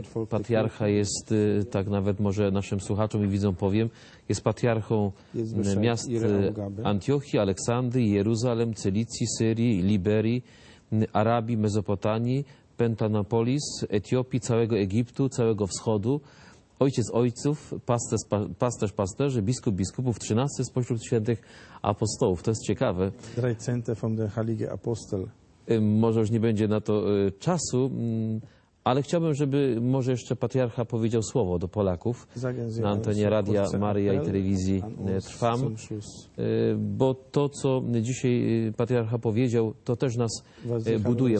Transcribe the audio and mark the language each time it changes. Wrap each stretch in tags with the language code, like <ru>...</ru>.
<pl>Patriarcha jest, tak nawet może naszym słuchaczom i widzom powiem, jest patriarchą miast Antiochii, Aleksandrii, Jeruzalem, Cylicji, Syrii, Liberii, Arabii, Mezopotamii, Pentanapolis, Etiopii, całego Egiptu, całego Wschodu. Ojciec ojców, pasterz pasterzy, biskup biskupów, 13 spośród świętych apostołów. To jest ciekawe.</pl> <de>Dreizehnte von der Heilige Apostel.</de> <pl>Może już nie będzie na to czasu, ale chciałbym, żeby może jeszcze patriarcha powiedział słowo do Polaków na antenie Radia Maria i telewizji Trwam. Bo to, co dzisiaj patriarcha powiedział, to też nas buduje.</pl>